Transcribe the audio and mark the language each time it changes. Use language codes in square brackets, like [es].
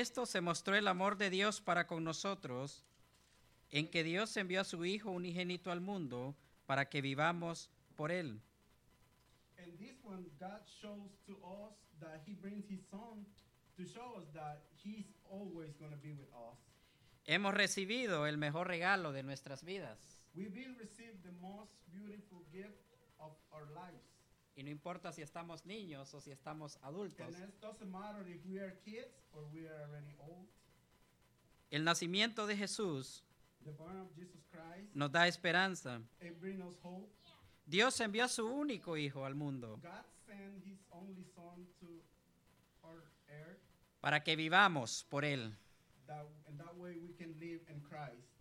[es] En esto se mostró el amor de Dios para con nosotros, en que Dios envió a su Hijo unigénito al mundo para que vivamos por él. [en] And this one God shows to us that he brings his son to show us that he's always going to be with us. [es] Hemos recibido el mejor regalo de nuestras vidas. [en] We've been received the most beautiful gift of our lives. [es] Y no importa si estamos niños o si estamos adultos. [en] And it doesn't matter if we are kids or we are already old. [es] El nacimiento de Jesús, [en] the born of Jesus Christ, [es] nos da esperanza. [en] It brings us hope. [es] Dios envió a su único hijo al mundo. [en] God sent his only son to our earth. [es] Para que vivamos por él. [en] That, and that way we can live in Christ.